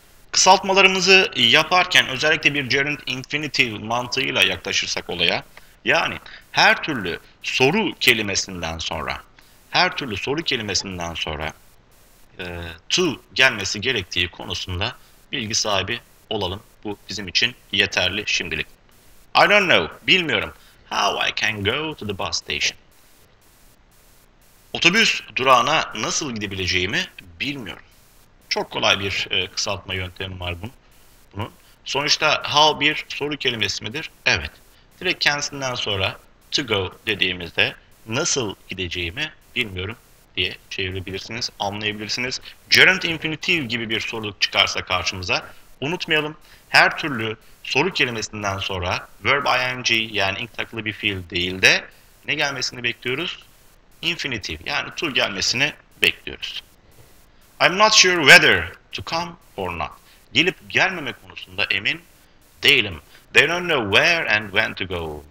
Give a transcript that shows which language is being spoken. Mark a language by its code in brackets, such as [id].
[tr] Kısaltmalarımızı yaparken özellikle bir gerund infinitive mantığıyla yaklaşırsak olaya, yani her türlü soru kelimesinden sonra, her türlü soru kelimesinden sonra to gelmesi gerektiği konusunda bilgi sahibi olalım. Bu bizim için yeterli şimdilik. [en] I don't know, [tr] bilmiyorum. [en] How I can go to the bus station. [tr] Otobüs durağına nasıl gidebileceğimi bilmiyorum. Çok kolay bir kısaltma yöntemi var bunun. Sonuçta how bir soru kelimesi midir? Evet. Direkt kendisinden sonra to go dediğimizde nasıl gideceğimi bilmiyorum diye çevirebilirsiniz, anlayabilirsiniz. Gerund infinitive gibi bir soruluk çıkarsa karşımıza unutmayalım. Her türlü soru kelimesinden sonra verb ing yani ink takılı bir fiil değil de ne gelmesini bekliyoruz? Infinitive yani to gelmesini bekliyoruz. [en] I'm not sure whether to come or not. [tr] Gelip gelmeme konusunda emin değilim. [en] They don't know where and when to go.